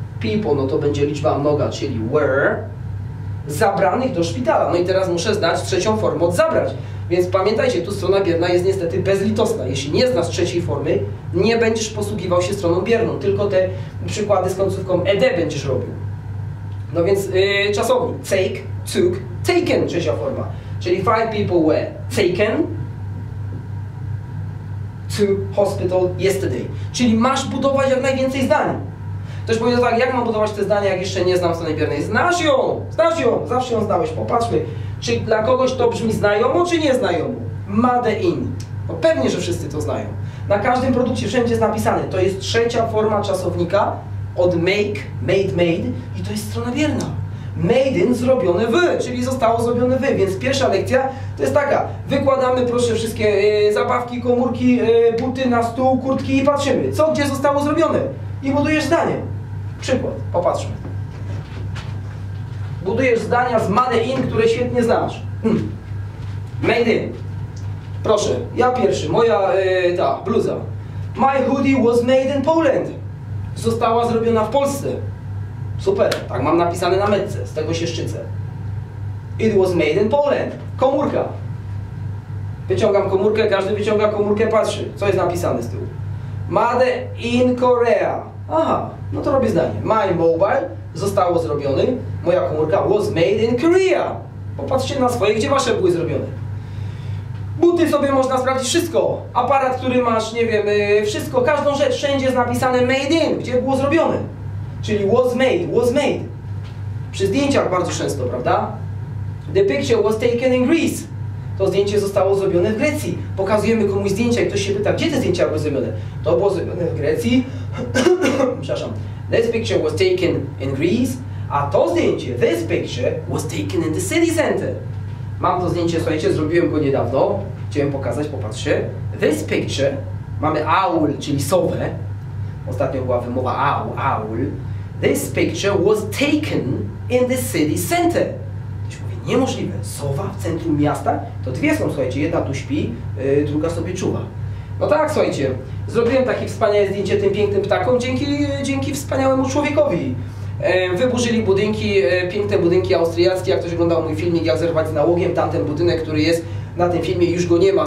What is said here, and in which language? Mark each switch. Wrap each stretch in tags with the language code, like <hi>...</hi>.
<pl>People, no to będzie liczba mnoga, czyli were, zabranych do szpitala. No i teraz muszę znać trzecią formę od zabrać. Więc pamiętajcie, tu strona bierna jest niestety bezlitosna. Jeśli nie znasz trzeciej formy, nie będziesz posługiwał się stroną bierną. Tylko te przykłady z końcówką ed będziesz robił. No więc czasownik.</pl> <en>Take, took, taken,</en> <pl>trzecia forma.</pl> <en>Czyli five people were taken to hospital yesterday.</en> <pl>Czyli masz budować jak najwięcej zdań. Ktoś powiedział tak, jak mam budować te zdania, jak jeszcze nie znam strony biernej? Znasz ją! Znasz ją! Zawsze ją znałeś. Popatrzmy, czy dla kogoś to brzmi znajomo, czy nieznajomo? Made in. No pewnie, że wszyscy to znają. Na każdym produkcie wszędzie jest napisane. To jest trzecia forma czasownika od</pl> <en>make, made, made</en> <pl>i to jest strona bierna. Made in, zrobione w, czyli zostało zrobione w. Więc pierwsza lekcja to jest taka. Wykładamy, proszę, wszystkie zabawki, komórki, buty na stół, kurtki i patrzymy, co gdzie zostało zrobione. I budujesz zdanie. Przykład, popatrzmy. Budujesz zdania z made in, które świetnie znasz. Made in. Proszę, ja pierwszy, moja ta bluza.</pl> <en>My hoodie was made in Poland.</en> <pl>Została zrobiona w Polsce. Super, tak mam napisane na metce, z tego się szczycę.</pl> <en>It was made in Poland.</en> <pl>Komórka. Wyciągam komórkę, każdy wyciąga komórkę, patrzy, co jest napisane z tyłu.</pl> <en>Made in Korea.</en> <pl>Aha, no to robię zdanie.</pl> <en>My mobile</en> <pl>zostało zrobione. Moja komórka</pl> <en>was made in Korea.</en> <pl>Popatrzcie na swoje, gdzie wasze były zrobione. Buty sobie można sprawdzić wszystko. Aparat, który masz, nie wiem, wszystko, każdą rzecz, wszędzie jest napisane made in, gdzie było zrobione. Czyli</pl> <en>was made, was made.</en> <pl>Przy zdjęciach bardzo często, prawda?</pl> <en>The picture was taken in Greece.</en> <pl>To zdjęcie zostało zrobione w Grecji. Pokazujemy komuś zdjęcia i ktoś się pyta, gdzie te zdjęcia były zrobione? To było zrobione w Grecji. Przepraszam.</pl> <en>This picture was taken in Greece.</en> <pl>A to zdjęcie,</pl> <en>this picture, was taken in the city center.</en> <pl>Mam to zdjęcie, słuchajcie, zrobiłem go niedawno. Chciałem pokazać, popatrzcie.</pl> <en>This picture,</en> <pl>mamy owl, czyli sowę. Ostatnio była wymowa owl, owl.</pl> <en>This picture was taken in the city center.</en> <pl>Niemożliwe. Sowa w centrum miasta? To dwie są, słuchajcie. Jedna tu śpi, druga sobie czuwa. No tak, słuchajcie. Zrobiłem takie wspaniałe zdjęcie tym pięknym ptakom dzięki wspaniałemu człowiekowi. Wyburzyli budynki, piękne budynki austriackie. Jak ktoś oglądał mój filmik, jak zerwać z nałogiem, tamten budynek, który jest na tym filmie, już go nie ma.</pl>